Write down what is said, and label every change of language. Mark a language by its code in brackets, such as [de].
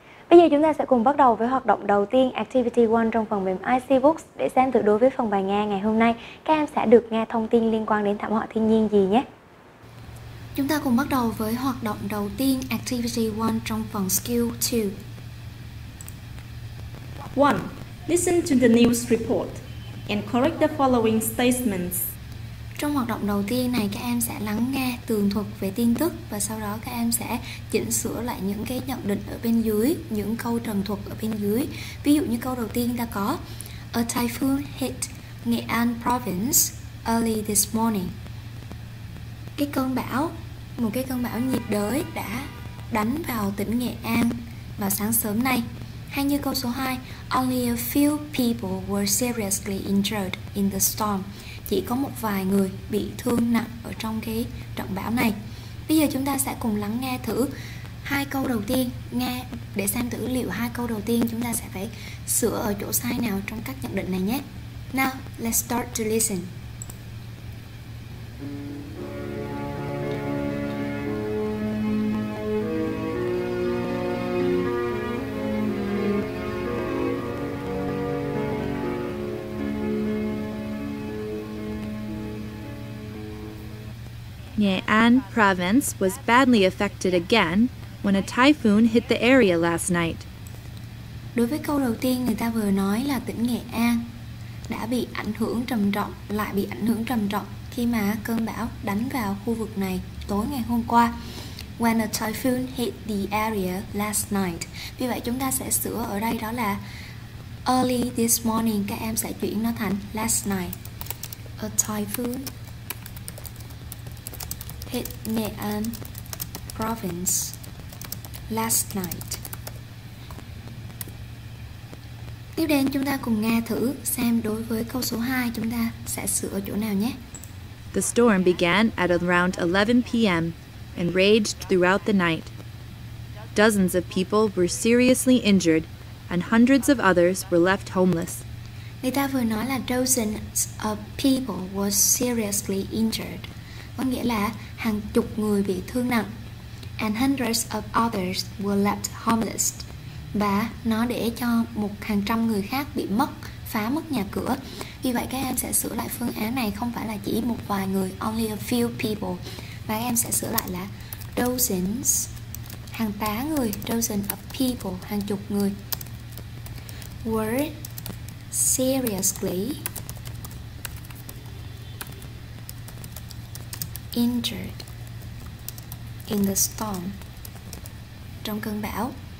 [vi] Bây giờ chúng ta sẽ cùng bắt đầu với hoạt động đầu tiên, Activity 1 trong phần mềm IC Books để xem thử đối với phần bài nghe ngày hôm nay các em sẽ được nghe thông tin liên quan đến thảm họa thiên nhiên gì nhé. Chúng ta cùng bắt đầu với hoạt động đầu tiên, Activity 1 trong phần Skill 2. [en] 1. Listen to the news report and correct the following statements. [vi] Trong hoạt động đầu tiên này, các em sẽ lắng nghe tường thuật về tin tức và sau đó các em sẽ chỉnh sửa lại những cái nhận định ở bên dưới, những câu trần thuật ở bên dưới. Ví dụ như câu đầu tiên ta có [en] A typhoon hit Nghệ An province early this morning. [vi] Cái cơn bão, một cái cơn bão nhiệt đới đã đánh vào tỉnh Nghệ An vào sáng sớm nay. Hay như câu số 2, [en] Only a few people were seriously injured in the storm. [vi] Chỉ có một vài người bị thương nặng ở trong cái trận bão này. Bây giờ chúng ta sẽ cùng lắng nghe thử hai câu đầu tiên, nghe để xem thử liệu hai câu đầu tiên chúng ta sẽ phải sửa ở chỗ sai nào trong các nhận định này nhé. [en] Now, let's start to listen. Nghệ An province was badly affected again when a typhoon hit the area last night. [vi] Đối với câu đầu tiên, người ta vừa nói là tỉnh Nghệ An đã bị ảnh hưởng trầm trọng, lại bị ảnh hưởng trầm trọng khi mà cơn bão đánh vào khu vực này tối ngày hôm qua. [en] When a typhoon hit the area last night. [vi] Vì vậy chúng ta sẽ sửa ở đây đó là [en] early this morning, [vi] các em sẽ chuyển nó thành [en] last night. A typhoon hit Nghệ An province last night. [vi] Tiếp đến chúng ta cùng nghe thử xem đối với câu số 2 chúng ta sẽ sửa chỗ nào nhé. [en] The storm began at around 11 p.m. and raged throughout the night. Dozens of people were seriously injured and hundreds of others were left homeless. [vi] Người ta vừa nói là [en] dozens of people were seriously injured. [vi] Có nghĩa là hàng chục người bị thương nặng. [en] And hundreds of others were left homeless. [vi] Và nó để cho một hàng trăm người khác bị mất, phá mất nhà cửa. Vì vậy các em sẽ sửa lại phương án này, không phải là chỉ một vài người, [en] only a few people. [vi] Và các em sẽ sửa lại là dozens, hàng tá người, [en] dozens of people, [vi] hàng chục người, [en] were seriously injured in the storm. [vi] trong cơn bão.